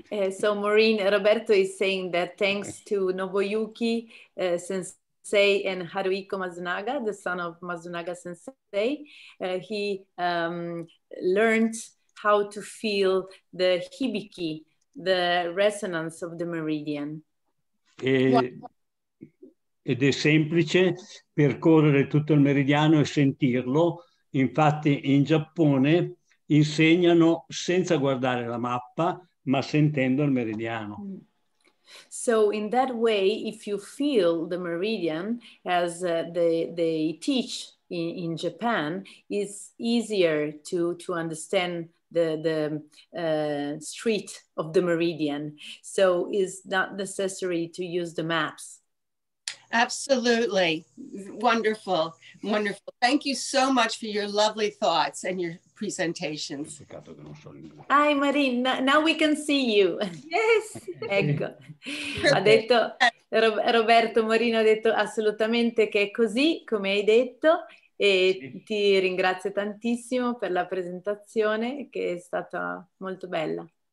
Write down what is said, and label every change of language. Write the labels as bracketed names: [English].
[English] So Maureen, Roberto is saying that thanks to Nobuyuki Sensei and Haruhiko Masanaga, the son of Masanaga Sensei, he learned how to feel the hibiki, the resonance of the meridian. [Italian] Ed è semplice percorrere tutto il meridiano e sentirlo. Infatti in Giappone insegnano senza guardare la mappa, ma sentendo il meridiano. [English] So in that way, if you feel the meridian as they teach in Japan, it's easier to understand the street of the meridian. So is not necessary to use the maps. Absolutely. Wonderful. Wonderful. Thank you so much for your lovely thoughts and your presentations. Hi, Maureen. Now we can see you. Yes. [Italian] Ecco. Ha detto Roberto, Maureen ha detto assolutamente che è così, come hai detto. E ti ringrazio tantissimo per la presentazione che è stata molto bella.